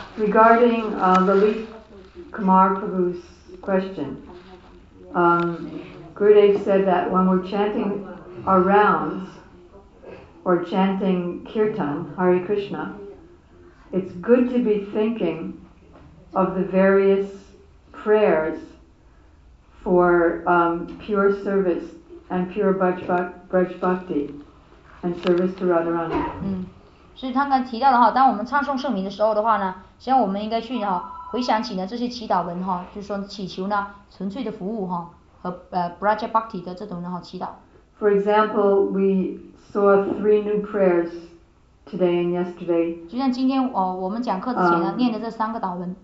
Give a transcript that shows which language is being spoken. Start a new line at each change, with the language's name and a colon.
English: Regarding Lalit Kumar Prabhu's question, Gurudev said that when we're chanting our rounds.Or chanting kirtan, Hare Krishna, it's good to be thinking of the various prayers for pure service and pure Braj Bhakti and service to Radharani.
Chinese: 所以他刚提到的话，当我们唱诵圣名的时候的话呢，实际上我们应该去哈回想起呢这些祈祷文哈，就是说祈求呢纯粹的服务哈和Braj Bhakti 的这种呢哈祈祷。
English: For example, we saw three new prayers today and yesterday.
Chinese: 就像今天我们讲课之前呢念的这三个祷文。